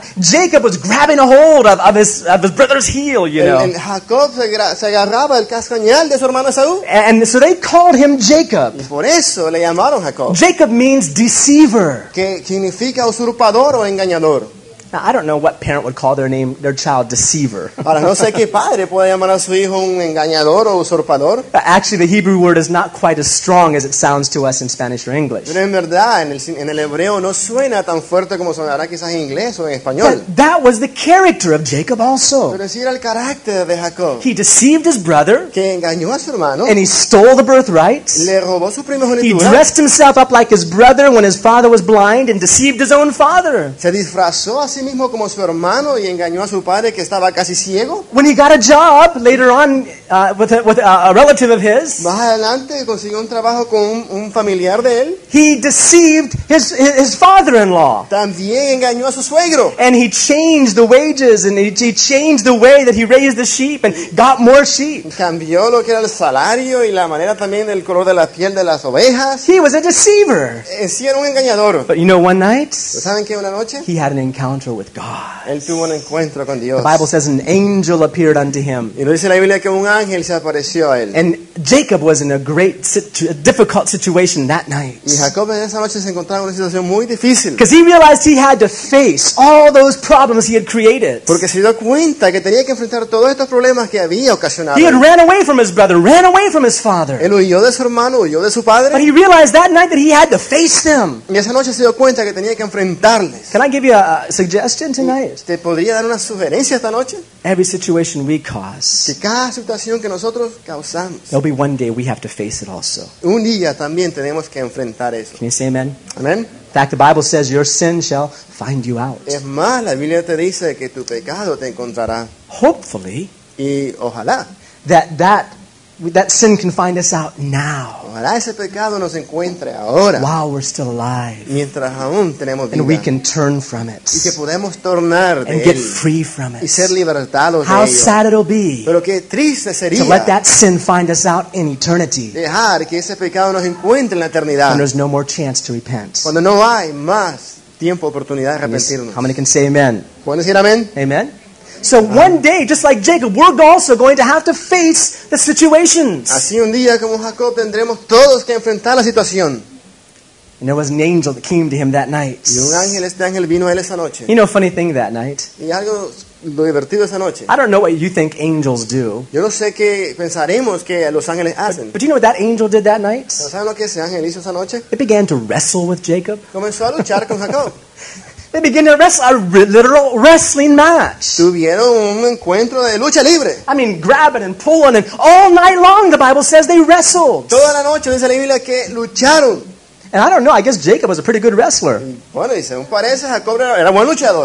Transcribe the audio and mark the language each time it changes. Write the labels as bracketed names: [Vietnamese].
[English] Jacob was grabbing a hold of his brother's heel, you know. [Spanish] And Jacob se agarraba el cascañal de su hermano Esaú. [English] And so they called him Jacob. [Spanish] Y por eso le llamaron Jacob. [English] Jacob means deceiver. [Spanish] Que significa usurpador o engañador. [English] Now, I don't know what parent would call their child deceiver. [Spanish] Ahora, no sé qué padre puede llamar a su hijo un engañador o usurpador. [English] Actually, the Hebrew word is not quite as strong as it sounds to us in Spanish or English. [Spanish] Pero en verdad, en el hebreo no suena tan fuerte como sonará quizás en inglés o en español. [English] That was the character of Jacob also. [Spanish] Pero sí era el carácter de Jacob. [English] He deceived his brother. [Spanish] Que engañó a su hermano. [English] And he stole the birthright. [Spanish] Le robó su primogenitura. [English] He dressed himself up like his brother when his father was blind and deceived his own father. [Spanish] Se disfrazó a sí mismo como su hermano y engañó a su padre que estaba casi ciego. [English] When he got a job later on with a relative of his, [Spanish] más adelante consiguió un trabajo con un familiar de él. [English] He deceived his father-in-law. [Spanish] También engañó a su suegro. [English] And he changed the wages and he changed the way that he raised the sheep and got more sheep. [Spanish] Cambió lo que era el salario y la manera también del color de la piel de las ovejas. [English] He was a deceiver. [Spanish] Sí, era un engañador. [English] But you know, one night, [Spanish] ¿saben qué? Una noche, [English] he had an encounter with God. [Spanish] Él tuvo un encuentro con Dios. [English] The Bible says an angel appeared unto him. [Spanish] Y dice la Biblia que un ángel se apareció a él. [English] And Jacob was in a great, a difficult situation that night. [Spanish] Y Jacob en esa noche se encontraba en una situación muy difícil. [English] Because he realized he had to face all those problems he had created. [Spanish] Porque se dio cuenta que tenía que enfrentar todos estos problemas que había ocasionado. [English] He had ran away from his brother, ran away from his father. [Spanish] Él huyó de su hermano, huyó de su padre. [English] But he realized that night that he had to face them. [Spanish] Y esa noche se dio cuenta que tenía que enfrentarles. [English] Can I give you a suggestion tonight? [Spanish] ¿Te podría dar una sugerencia esta noche? [English] Every situation we cause, [Spanish] que cada situación que nosotros causamos, [English] there'll be one day we have to face it also. [Spanish] Un día también tenemos que enfrentar eso. [English] Can you say amen? [Spanish] Amen. [English] In fact, the Bible says your sin shall find you out. [Spanish] Es más, la Biblia te dice que tu pecado te encontrará. [English] Hopefully, [Spanish] y ojalá, [English] that sin can find us out now. [Spanish] Ojalá ese pecado nos encuentre ahora. [English] While we're still alive. [Spanish] Mientras aún tenemos vida. [English] And we can turn from it. [Spanish] Y que podemos tornar de él. [English] And get free from it. [Spanish] Y ser libertados. [English] How [Spanish] de [English] sad it'll be. [Spanish] Pero qué triste sería. [English] To let that sin find us out in eternity. [Spanish] Dejar que ese pecado nos encuentre en la eternidad. [English] When there's no more chance to repent. [Spanish] Cuando no hay más tiempo, oportunidad de arrepentirnos. [English] How many can say amen? [Spanish] ¿Pueden decir amén? Amen. [English] So one day, just like Jacob, we're also going to have to face the situations. [Spanish] Así un día como Jacob tendremos todos que enfrentar la situación. [English] And there was an angel that came to him that night. [Spanish] Y un ángel, este ángel vino a él esa noche. [English] You know, funny thing that night. [Spanish] Y algo lo divertido esa noche. [English] I don't know what you think angels do. [Spanish] Yo no sé qué pensaremos que los ángeles hacen. [English] But do you know what that angel did that night? [Spanish] ¿Saben lo que ese ángel hizo esa noche? [English] It began to wrestle with Jacob. [Spanish] Comenzó a luchar con Jacob. [English] They begin to wrestle, a literal wrestling match. [Spanish] Tuvieron un encuentro de lucha libre. [English] I mean, grabbing and pulling, and all night long, the Bible says they wrestled. [Spanish] Toda la noche dice la Biblia que lucharon. [English] And I don't know, I guess Jacob was a pretty good wrestler. [Spanish] Bueno, y según parece, Jacob era buen luchador.